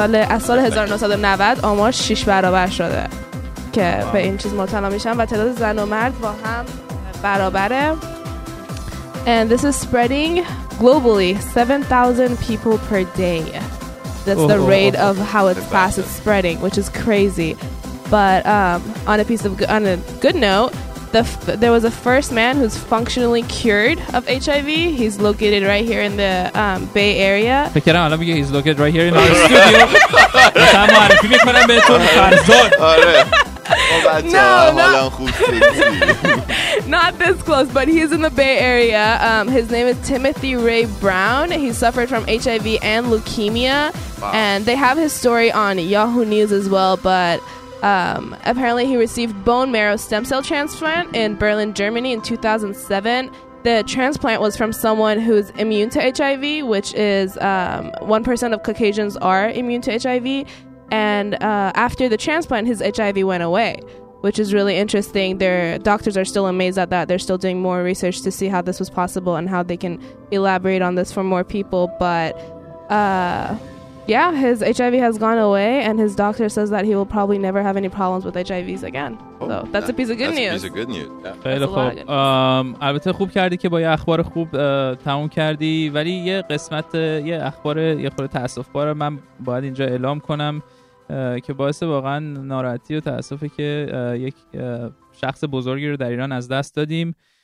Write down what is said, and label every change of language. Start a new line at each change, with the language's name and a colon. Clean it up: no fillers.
Persian: از سال 1990 آمار 6 برابر شده که به این چیز مبتلا میشن و تعداد زن و مرد با هم برابره.
English: And this is spreading globally, 7,000 people per day. That's the rate of how it's fast it's spreading, which is crazy. But on a good note, there was a first man who's functionally cured of HIV. He's located right here in the Bay Area.
Persian: فکرم الان میگه
English: he's located right here in our studio.
Persian: بسن معرفی میکنم بهتون فرزون. آره.
English: Not this close, but he is in the Bay Area. His name is Timothy Ray Brown. He suffered from HIV and leukemia. Wow. And they have his story on Yahoo News as well. But apparently he received bone marrow stem cell transplant in Berlin, Germany in 2007. The transplant was from someone who's immune to HIV, which is 1% of Caucasians are immune to HIV. And after the transplant, his HIV went away, which is really interesting. Their doctors are still amazed at that. They're still doing more research to see how this was possible and how they can elaborate on this for more people. But his HIV has gone away, and his doctor says that he will probably never have any problems with HIVs again. So that's a piece of good news.
Persian: خیلی خوب. البته خوب کردی که با یه اخبار خوب تموم کردی. ولی یه قسمت یه اخبار یه خورده تأسف‌بار من باید اینجا اعلام کنم که باعث واقعا ناراحتی و تأسفه که یک شخص بزرگی رو در ایران از دست دادیم.